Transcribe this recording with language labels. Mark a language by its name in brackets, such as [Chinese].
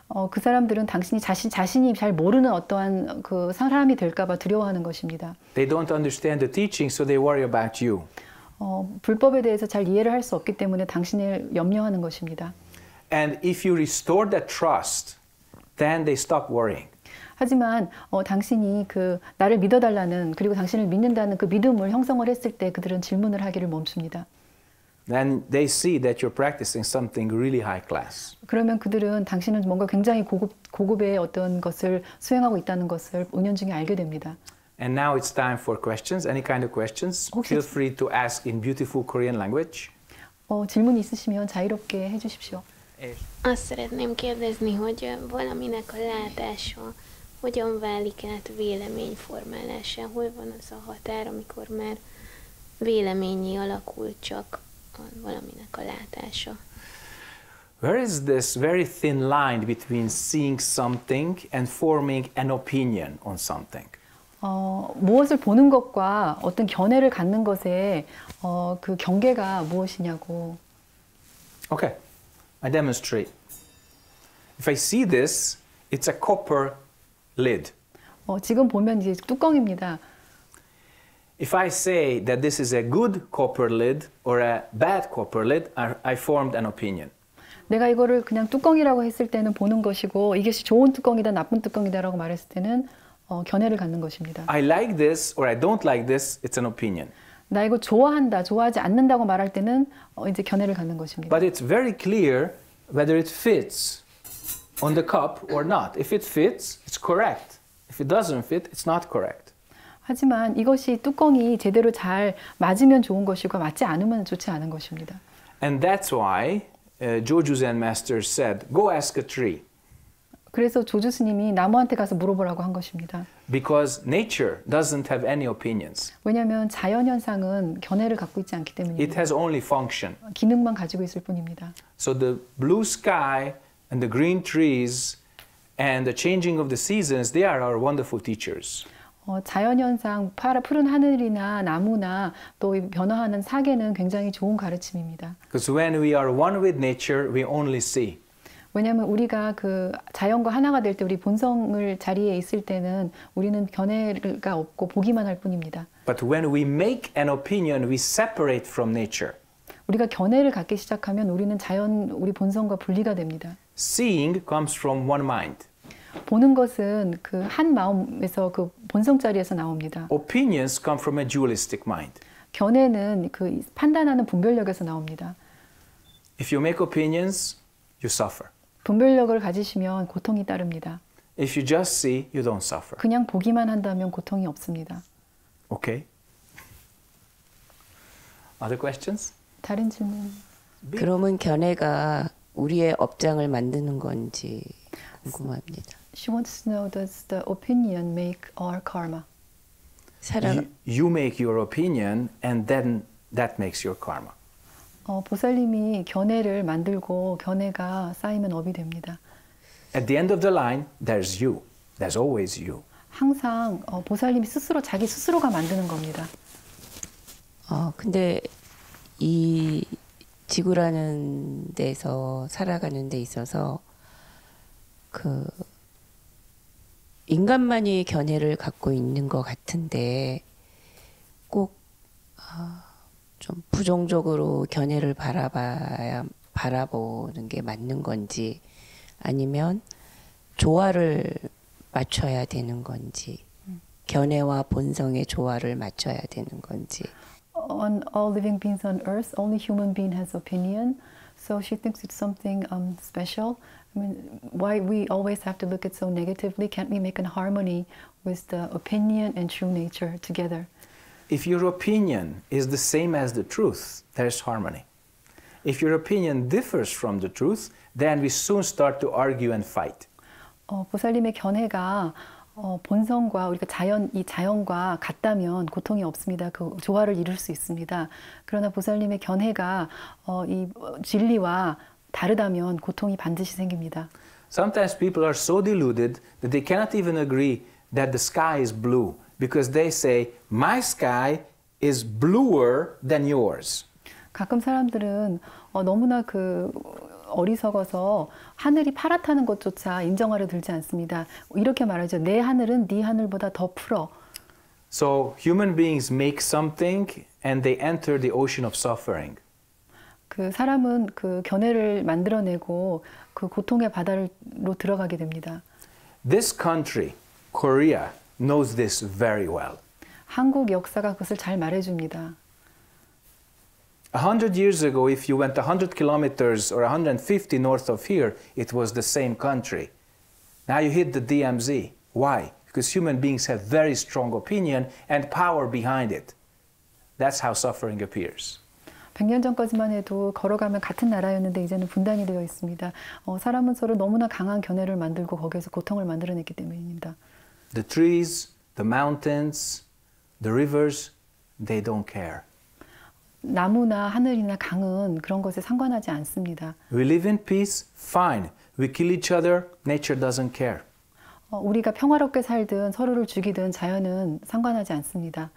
[Korean] 그 사람들은 당신이 자신이 잘 모르는 어떠한 그 사람이 될까봐 두려워하는 것입니다. [English] They don't understand the teaching, so they worry about you. [Korean] 불법에 대해서 잘 이해를 할수 없기 때문에 당신을 염려하는 것입니다. [English] And if you restore that trust, then they stop worrying. [Korean] 하지만 당신이 그 나를 믿어달라는 그리고 당신을 믿는다는 그 믿음을 형성을 했을 때 그들은 질문을 하기를 멈춥니다. [English] Then they see that you're practicing something really high class. [Korean] 그러면 그들은 당신은 뭔가 굉장히 고급의 어떤 것을 수행하고 있다는 것을 은연중에 알게 됩니다. [English] And now it's time for questions, any kind of questions. [Korean] 혹시 [English] Feel free to ask in beautiful Korean language. [Korean] 질문 있으시면 자유롭게 해주십시오. 아, 쓰레님, 께르즈니, 호죠, 보라미나코 라타쇼, 호죠, 발리카트, 빌레미니, 포르멜라쇼, 호이보나서, 호타르, 미코르멜, 빌레미니, 올라쿨쇼크, 보라미나코 라타쇼. [English] Where is this very thin line between seeing something and forming an opinion on something? [Korean] 무엇을 보는 것과 어떤 견해를 갖는 것에 그 경계가 무엇이냐고. [English] Okay. I demonstrate. If I see this, it's a copper lid. [Korean] 지금 보면 이제 뚜껑입니다. [English] If I say that this is a good copper lid or a bad copper lid, I formed an opinion. [Korean] 내가 이거를 그냥 뚜껑이라고 했을 때는 보는 것이고 이것이 좋은 뚜껑이다, 나쁜 뚜껑이다라고 말했을 때는 견해를 갖는 것입니다. [English] I like this or I don't like this, it's an opinion. [Korean] 나 이거 좋아한다, 좋아하지 않는다고 말할 때는 이제 견해를 갖는 것입니다. [English] But it's very clear whether it fits on the cup or not. If it fits, it's correct. If it doesn't fit, it's not correct. [Korean] 하지만 이것이 뚜껑이 제대로 잘 맞으면 좋은 것이고 맞지 않으면 좋지 않은 것입니다. [English] And that's why Joju Zen Master said, go ask a tree. [Korean] 그래서 조주 스님이 나무한테 가서 물어보라고 한 것입니다. [English] Because nature doesn't have any opinions. [Korean] 왜냐하면 자연 현상은 견해를 갖고 있지 않기 때문입니다. [English] It has only function. [Korean] 기능만 가지고 있을 뿐입니다. [English] So the blue sky and the green trees and the changing of the seasons, they are our wonderful teachers. [Korean] 자연 현상, 푸른 하늘이나 나무나 또 변화하는 사계는 굉장히 좋은 가르침입니다. [English] Because when we are one with nature, we only see. [Korean] 왜냐하면 우리가 그 자연과 하나가 될 때 우리 본성을 자리에 있을 때는 우리는 견해가 없고 보기만 할 뿐입니다. [English] But when we make an opinion, we separate from nature. [Korean] 우리가 견해를 갖기 시작하면 우리는 자연, 우리 본성과 분리가 됩니다. [English] Seeing comes from one mind. [Korean] 보는 것은 그 한 마음에서 그 본성 자리에서 나옵니다. [English] Opinions come from a dualistic mind. [Korean] 견해는 그 판단하는 분별력에서 나옵니다. [English] If you make opinions, you suffer. [Korean] 분별력을 가지시면 고통이 따릅니다. [English] If you just see, you don't suffer. [Korean] 그냥 보기만 한다면 고통이 없습니다. [English] Okay. Other questions? [Korean] 다른 질문. 그러면 견해가 우리의 업장을 만드는 건지 궁금합니다. [English] She wants to know, does the opinion make our karma? [Korean] 사람. [English] You make your opinion, and then that makes your karma. [Korean] 보살님이 견해를 만들고 견해가 쌓이면 업이 됩니다. [English] At the end of the line, there's you. There's always you. [Korean] 항상 보살님이 스스로 자기 스스로가 만드는 겁니다. 근데 이 지구라는 데서 살아가는 데 있어서 그 인간만이 견해를 갖고 있는 것 같은데 꼭 좀 부정적으로 견해를 바라보는 게 맞는 건지 아니면 조화를 맞춰야 되는 건지 견해와 본성의 조화를 맞춰야 되는 건지. [English] On all living beings on earth, only human being has opinion. So she thinks it's something special. I mean, why we always have to look at so negatively? Can't we make a harmony with the opinion and true nature together? If your opinion is the same as the truth, there's harmony. If your opinion differs from the truth, then we soon start to argue and fight. [Korean] 보살님의 견해가 본성과 우리가 자연 이 자연과 같다면 고통이 없습니다. 그 조화를 이룰 수 있습니다. 그러나 보살님의 견해가 이 진리와 다르다면 고통이 반드시 생깁니다. [English] Sometimes people are so deluded that they cannot even agree that the sky is blue. Because they say, my sky is bluer than yours. [Korean] 가끔 사람들은 너무나 그 어리석어서 하늘이 파랗다는 것조차 인정하려 들지 않습니다. 이렇게 말하죠. 내 하늘은 네 하늘보다 더 푸러. [English] So human beings make something and they enter the ocean of suffering. [Korean] 그 사람은 그 견해를 만들어내고 그 고통의 바다로 들어가게 됩니다. [English] This country, Korea, knows this very well. [Korean] 한국 역사가 그것을 잘 말해줍니다. [English] 100 years ago, if you went 100 kilometers or 150 north of here, it was the same country. Now you hit the DMZ. Why? Because human beings have very strong opinion and power behind it. That's how suffering appears. [Korean] 100년 전까지만 해도 걸어가면 같은 나라였는데 이제는 분단이 되어 있습니다. 사람은 서로 너무나 강한 견해를 만들고 거기에서 고통을 만들어냈기 때문입니다. [English] The trees, the mountains, the rivers, they don't care. [Korean] 나무나 하늘이나 강은 그런 것에 상관하지 않습니다. [English] We live in peace, fine. We kill each other, nature doesn't care. [Korean] 우리가 평화롭게 살든 서로를 죽이든 자연은 상관하지 않습니다.